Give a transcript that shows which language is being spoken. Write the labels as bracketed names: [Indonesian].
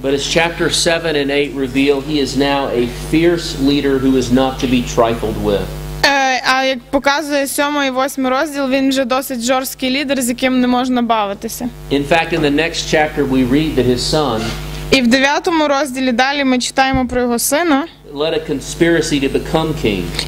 [English] But as chapter 7 and 8 reveal, he is now a fierce leader who is not to be trifled with. [Ukrainian] А як показує 7-й і 8-й розділ, він вже досить жорсткий лідер, з яким не можна бавитися. [English] In fact, in the next chapter we read that his son. [Ukrainian] І в 9-му розділі далі ми читаємо про його сина. [English] Led a conspiracy to become king.